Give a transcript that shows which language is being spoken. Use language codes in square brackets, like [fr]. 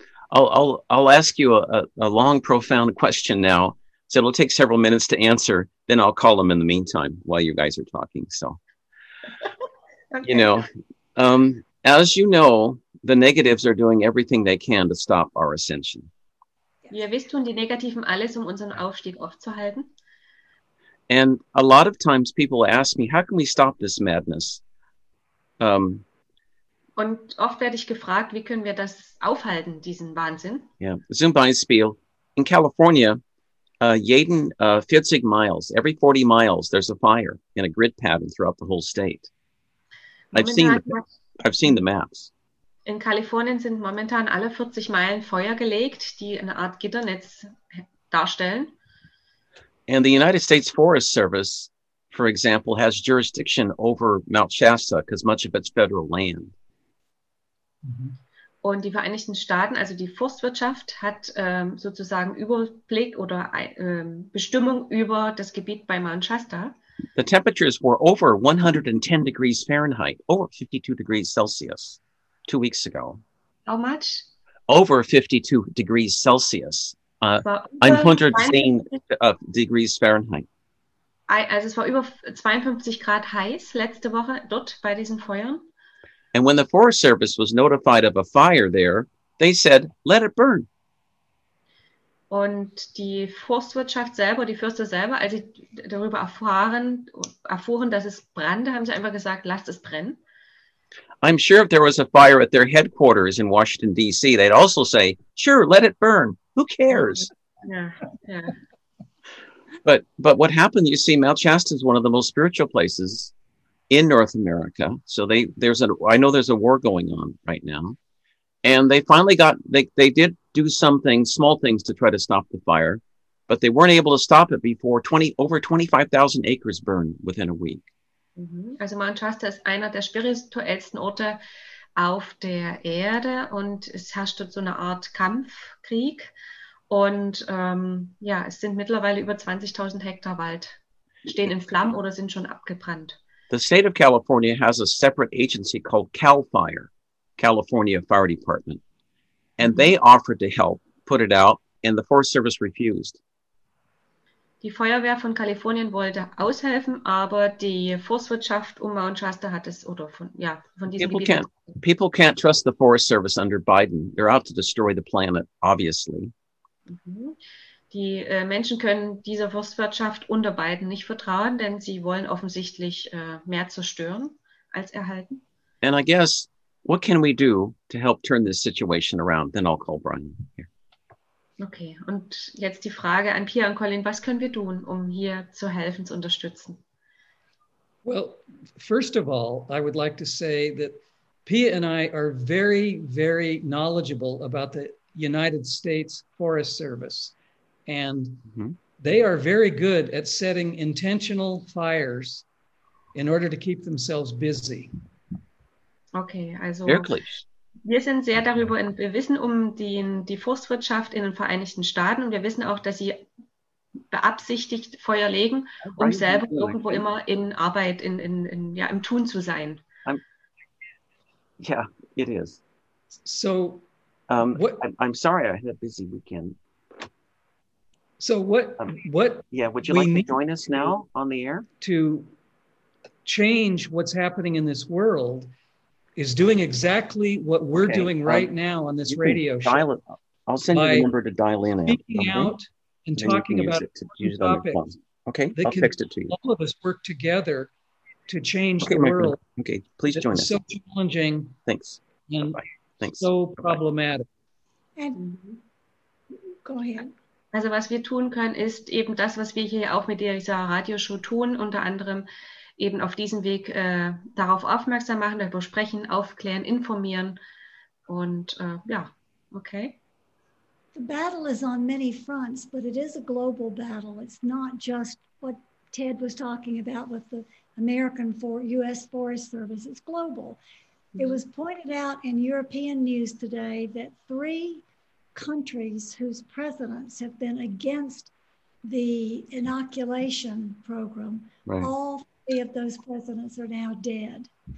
[en] I'll ask you a long, profound question now. So it'll take several minutes to answer. Then I'll call them in the meantime while you guys are talking. So, you know, as you know, the negatives are doing everything they can to stop our ascension. [de] Wie ihr wisst, tun die Negativen alles, um unseren Aufstieg aufzuhalten. [en] And a lot of times people ask me, how can we stop this madness? [de] Und oft werde ich gefragt, wie können wir das aufhalten, diesen Wahnsinn? [en] Yeah, [de] zum Beispiel, [en] in California, [de] jeden [en] 40 miles, every 40 miles, there's a fire in a grid pattern throughout the whole state. I've seen the maps. [de] In Kalifornien sind momentan alle 40 Meilen Feuer gelegt, die eine Art Gitternetz darstellen. [en] And the United States Forest Service, for example, has jurisdiction over Mount Shasta because much of it's federal land. Mm-hmm. [de] Und die Vereinigten Staaten, also die Forstwirtschaft, hat sozusagen Überblick oder Bestimmung über das Gebiet bei Mount Shasta. [en] The temperatures were over 110 degrees Fahrenheit, over 52 degrees Celsius, 2 weeks ago. How much? Over 52 degrees Celsius. 110 degrees Fahrenheit. [de] Also es war über 52 Grad heiß letzte Woche dort bei diesen Feuern. [en] And when the Forest Service was notified of a fire there, they said, let it burn. [de] Und die Forstwirtschaft selber, die Förster selber, als sie darüber erfuhren, dass es brannte, haben sie einfach gesagt, lasst es brennen. [en] I'm sure if there was a fire at their headquarters in Washington, D.C., they'd also say, sure, let it burn. Who cares? Yeah. But what happened, you see, Mount Shasta is one of the most spiritual places in North America. So I know there's a war going on right now. And they finally got, they did do something, small things to try to stop the fire, but they weren't able to stop it before over 25,000 acres burned within a week. Mm-hmm. [de] Also Mount Shasta ist einer der spirituellsten Orte auf der Erde und es herrscht dort so eine Art Kampfkrieg und es sind mittlerweile über 20.000 Hektar Wald stehen in Flammen oder sind schon abgebrannt. [en] The state of California has a separate agency called Cal Fire, California Fire Department, and they offered to help put it out and the Forest Service refused. [de] Die Feuerwehr von Kalifornien wollte aushelfen, aber die Forstwirtschaft um Mount Shasta hat es, oder von diesem [en] people [de] Gebiet. [en] People can't trust the Forest Service under Biden. They're out to destroy the planet, obviously. [de] Die Menschen können dieser Forstwirtschaft unter Biden nicht vertrauen, denn sie wollen offensichtlich mehr zerstören als erhalten. [en] And I guess, what can we do to help turn this situation around? Then I'll call Brian here. [de] Okay, und jetzt die Frage an Pia und Colin, was können wir tun, um hier zu helfen, zu unterstützen? [en] Well, first of all, I would like to say that Pia and I are very, very knowledgeable about the United States Forest Service. And they are very good at setting intentional fires in order to keep themselves busy. [de] Okay, also wirklich. Wir sind sehr darüber, wir wissen um die Forstwirtschaft in den Vereinigten Staaten und wir wissen auch, dass sie beabsichtigt Feuer legen, um selber irgendwo immer in Arbeit, im Tun zu sein. [en] Yeah, it is. So, I'm sorry, I had a busy weekend. So what? Would you like to join us now on the air? To change what's happening in this world is doing exactly what we're doing right now on this radio show. I'll send you the number to dial in. Speaking out and talking about topics. Okay, I'll text it to you. All of us work together to change the world. Okay, please join us. It's so challenging. Thanks. And so problematic. And go ahead. [de] Also was wir tun können, ist eben das, was wir hier auch mit dieser Radioshow tun, unter anderem eben auf diesem Weg darauf aufmerksam machen, darüber sprechen, aufklären, informieren und okay. [en] The battle is on many fronts, but it is a global battle. It's not just what Ted was talking about with the American U.S. Forest Service. It's global. Mm-hmm. It was pointed out in European news today that three countries whose presidents have been against the inoculation program, all three of those presidents are now dead.